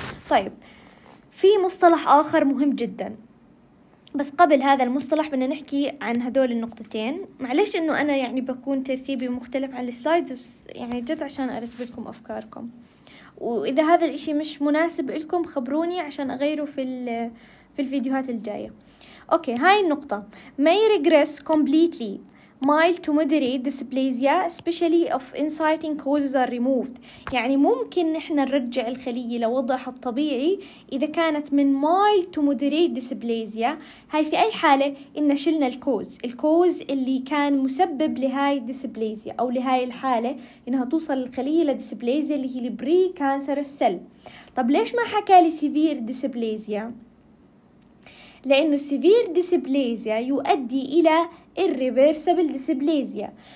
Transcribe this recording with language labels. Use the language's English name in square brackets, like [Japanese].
[Arabic] طيب في مصطلح آخر مهم جدا، بس قبل هذا المصطلح بدنا نحكي عن هذول النقطتين، معلش إنه أنا يعني بكون ترتيبي مختلف عن السلايدز، بس يعني جت عشان أرسب لكم أفكاركم، وإذا هذا الإشي مش مناسب لكم خبروني عشان أغيره في الفيديوهات الجاية. أوكي هاي النقطة [English] may regress completely mild to moderate dysplasia especially of inciting causes are removed، [Arabic] يعني ممكن نحن نرجع الخلية لوضعها الطبيعي إذا كانت من mild to moderate dysplasia. هاي في أي حالة؟ إن شلنا الكوز اللي كان مسبب لهاي الدسبليزيا أو لهاي الحالة إنها توصل الخلية لدسبليزيا اللي هي البري كانسر السل. طب ليش ما حكى لي سيفير دسبليزيا؟ لأنه سيفير دسبليزيا يؤدي إلى irreversible dysplasia.